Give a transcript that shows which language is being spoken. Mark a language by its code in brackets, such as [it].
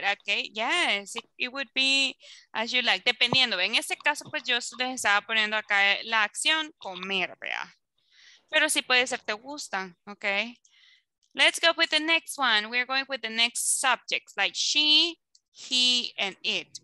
[en] Okay, yes, it would be as you like. [es] Dependiendo, en este caso, pues yo les estaba poniendo acá la acción comer, ¿verdad? Pero sí puede ser te gustan, [en] okay. Let's go with the next one. We're going with the next subjects, like she, he, and it.